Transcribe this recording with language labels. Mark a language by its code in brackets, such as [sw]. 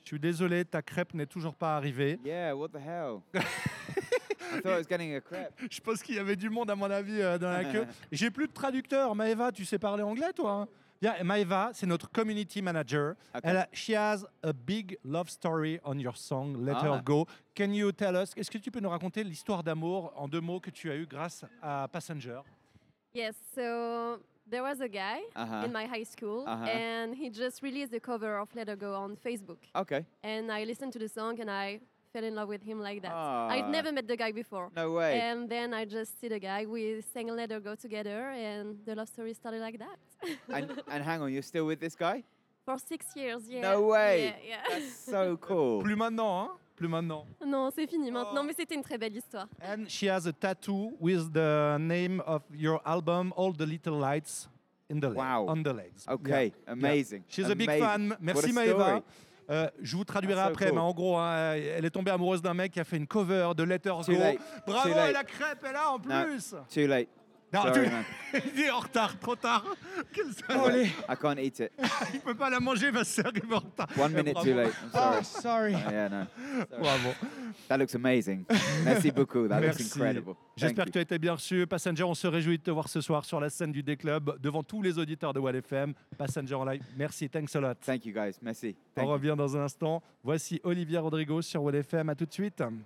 [fr] Je suis désolé, ta crêpe n'est toujours pas arrivée. [en] Yeah, what the hell? I thought I was getting a crêpe. [fr] Je pense qu'il y avait du monde, à mon avis, dans la queue. J'ai plus de traducteur. Maëva, tu sais parler anglais, toi, hein? Yeah, Maëva, c'est notre community manager. [en] Okay. She has a big love story on your song, Let Her Go. Can you tell us, [fr] est-ce que tu peux nous raconter l'histoire d'amour en deux mots que tu as eu grâce à Passenger? [en] Yes, so there was a guy in my high school and he just released a cover of Let Her Go on Facebook. Okay. And I listened to the song and I fell in love with him like that. I'd never met the guy before. No way. And then I just see the guy, we sang Let Her Go together and the love story started like that. And hang on, you're still with this guy? For 6 years, yeah. No way. Yeah. That's so cool. [fr] Plus maintenant, hein? Plus maintenant. Non, c'est fini maintenant, mais c'était une très belle histoire. [en] And she has a tattoo with the name of your album, All the Little Lights, in the on the legs. Okay, amazing. Yeah. She's amazing. A big fan. [fr] Merci [en] Maëva. [fr] Je vous traduirai après, mais en gros, elle est tombée amoureuse d'un mec qui a fait une cover de Let Her Go. Bravo, et la crêpe est là en plus. [en] Too late. [fr] Non, [en] sorry, [fr] il est en retard, trop tard. Quel salaud. [en] I can't eat it. [fr] Il ne peut pas la manger parce qu'il arrive en retard. [en] One minute too late, I'm sorry. Oh, sorry. Yeah, no. Sorry. Bravo. That looks amazing. [fr] Merci beaucoup, [en] that looks incredible. [fr] J'espère que tu as été bien reçu. Passenger, on se réjouit de te voir ce soir sur la scène du D-Club devant tous les auditeurs de Wall FM. Passenger en live, merci, [en] thanks a lot. Thank you guys, merci. [fr] On revient dans un instant. Voici Olivier Rodrigo sur Wall FM, à tout de suite.